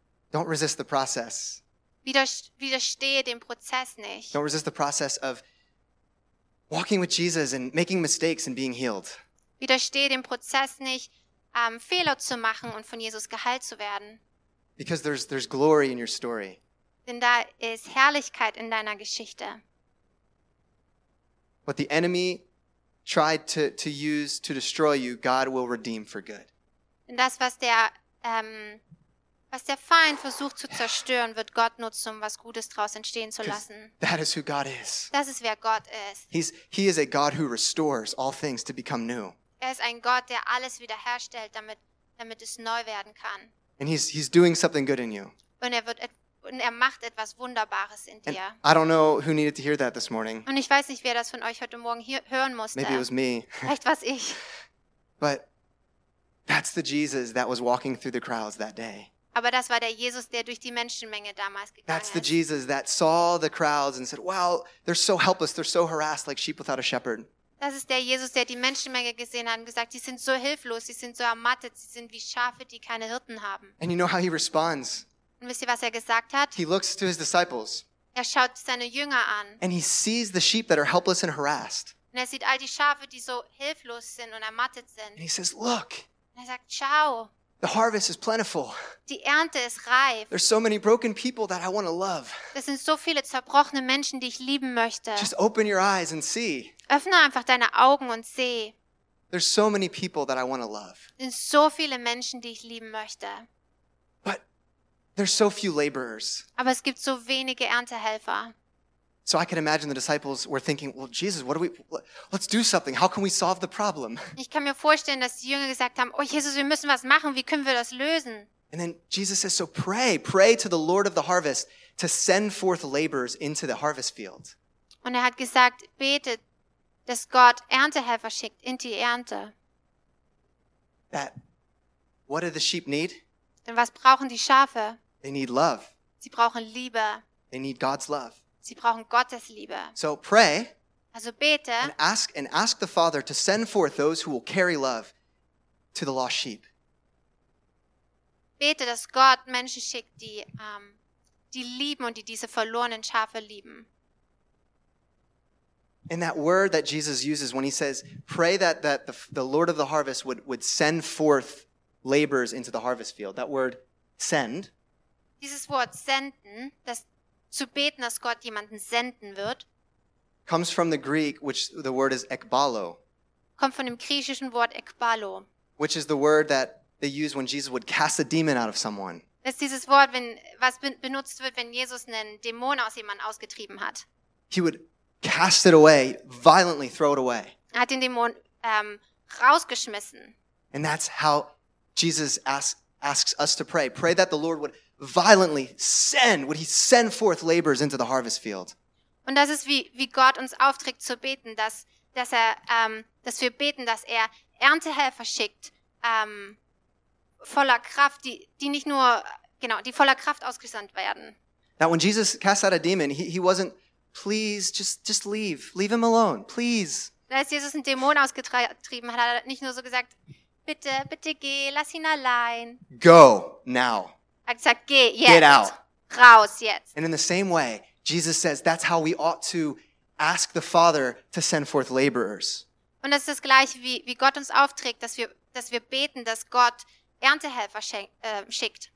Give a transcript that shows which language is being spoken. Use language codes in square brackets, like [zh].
[en] Don't resist the process. [de] Widerstehe dem Prozess nicht. [en] Don't resist the process of walking with Jesus and making mistakes and being healed. [de] Widerstehe dem Prozess nicht, Fehler zu machen und von Jesus geheilt zu werden. [en] Because there's glory in your story. [de] Denn da ist Herrlichkeit in deiner Geschichte. [en] What the enemy tried to use to destroy you, God will redeem for good. [de] Denn das, was der Feind versucht zu zerstören, wird Gott nutzen, um was Gutes daraus entstehen zu lassen. [en] That is who God is. [de] Das ist, wer Gott ist. [en] He is a God who restores all things to become new. [de] Er ist ein Gott, der alles wiederherstellt, damit es neu werden kann. [en] And he's doing something good in you. [de] Und er macht etwas Wunderbares in dir. [en] And I don't know who needed to hear that this morning. [de] Und ich weiß nicht, wer das von euch heute Morgen hören musste. [en] Maybe it was me. [de] Vielleicht war es ich. [en] But that's the Jesus that was walking through the crowds that day. [de] Aber das war der Jesus, der durch die Menschenmenge damals gegangen ist. [en] That's the Jesus that saw the crowds and said, "Wow, they're so helpless, they're so harassed, like sheep without a shepherd." [de] Das ist der Jesus, der die Menschenmenge gesehen hat und gesagt, die sind so hilflos, sie sind so ermattet, sie sind wie Schafe, die keine Hirten haben. [en] And you know how he responds. [de] Und wisst ihr, was er gesagt hat? [en] He looks to his disciples. [de] Er schaut seine Jünger an. [en] And he sees the sheep that are helpless and harassed. [de] Und er sieht all die Schafe, die so hilflos sind und ermattet sind. [en] And he says, look. [de] Und er sagt, schau. [en] The harvest is plentiful. [de] Die Ernte ist reif. [en] There's so many broken people that I want to love. [de] Das sind so viele zerbrochene Menschen, die ich lieben möchte. [en] Just open your eyes and see. [de] Öffne einfach deine Augen und seh. [en] There's so many people that I want to love. [de] Es sind so viele Menschen, die ich lieben möchte. [en] But there's so few laborers. [de] Aber es gibt so wenige Erntehelfer. [en] So I can imagine the disciples were thinking, well, Jesus, what do we, let's do something. How can we solve the problem? [de] Ich kann mir vorstellen, dass die Jünger gesagt haben, oh Jesus, wir müssen was machen. Wie können wir das lösen? [en] And then Jesus says, so pray to the Lord of the harvest to send forth laborers into the harvest field. [de] Und hat gesagt, betet, dass Gott Erntehelfer schickt in die Ernte. [en] That, what do the sheep need? [de] Denn was brauchen die Schafe? [en] They need love. [de] Sie brauchen Liebe. [en] They need God's love. [de] Sie brauchen Gottes Liebe. [en] So pray. [de] Also bete. [en] And ask the Father to send forth those who will carry love to the lost sheep. [de] Bete, dass Gott Menschen schickt, die die lieben und die diese verlorenen Schafe lieben. [en] And that word that Jesus uses when he says, pray that the Lord of the harvest would send forth laborers into the harvest field. That word, send. [de] Dieses Wort senden, das zu beten, dass Gott jemanden senden wird. [en] Comes from the Greek, which the word is ekbalo. [de] Kommt von dem griechischen Wort ekbalo. [en] Which is the word that they use when Jesus would cast a demon out of someone. [de] Das ist dieses Wort, was benutzt wird, wenn Jesus einen Dämon aus jemandem ausgetrieben hat. [en] He would cast it away, violently throw it away. [de] Er hat den Dämon rausgeschmissen. [en] And that's how Jesus asks us to pray. Pray that the Lord would violently send, would he send forth laborers into the harvest field. [de] Und das ist wie Gott uns aufträgt zu beten, dass wir beten, dass er Erntehelfer schickt, voller Kraft, die voller Kraft ausgesandt werden. [en] Now when Jesus cast out a demon, he wasn't, please, just leave him alone, please. [de] Als Jesus einen Dämon ausgetrieben hat, hat er nicht nur so gesagt, bitte geh, lass ihn allein. [en] Go, now. [de] Er hat gesagt, geh jetzt. [en] Get out. [de] Raus jetzt. [en] And in the same way, Jesus says, that's how we ought to ask the Father to send forth laborers. [de] Und das ist das Gleiche, wie Gott uns aufträgt, dass wir beten, dass Gott Erntehelfer schickt.